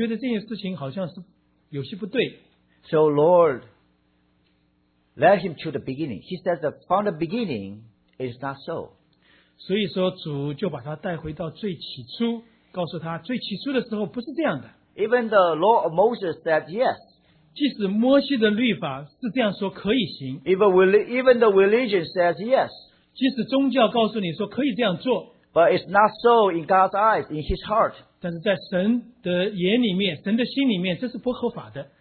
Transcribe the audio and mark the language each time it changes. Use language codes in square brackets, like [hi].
[zh] 这个法利赛人教法师，尽管他虽然他也这样去行，这样去做，觉得好像是合法的，但是他的良心的深处，他总觉得这件事情好像是有些不对。 [en] So Lord, led him to the beginning. He says that from the beginning, it's not so. [zh] 所以说主就把他带回到最起初，告诉他最起初的时候不是这样的。 [en] Even the law of Moses said yes. [zh] 即使摩西的律法是这样说可以行, [en] even the religion says yes, [zh] 即使宗教告诉你说可以这样做, [en] but it's not so in God's eyes, in His heart. [zh] 但是在神的眼里面，神的心里面，这是不合法的。